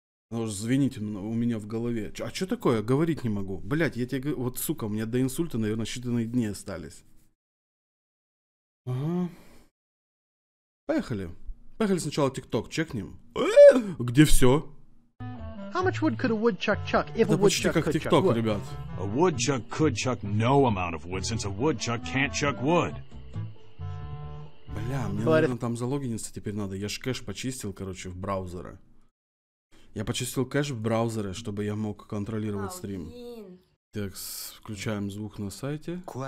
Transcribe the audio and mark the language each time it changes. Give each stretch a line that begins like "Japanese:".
Russian: Оно уж звенит у меня в голове. А что такое? Говорить не могу. Блять, я тебе, вот сука, у меня до инсульта, наверное, считанные дни остались. Ага. Поехали. Поехали сначала ТикТок, чекнем. Где все?
English: How much wood could a woodchuck chuck if a woodchuck could chuck wood?
Russian: Ребят.
English: A woodchuck could chuck no amount of wood since a woodchuck can't chuck wood.
Russian: Бля, мне, наверное, там залогиниться теперь надо. Я ж кэш почистил, короче, в браузере. Я почистил кэш в браузере, чтобы я мог контролировать стрим. Так, включаем звук на сайте.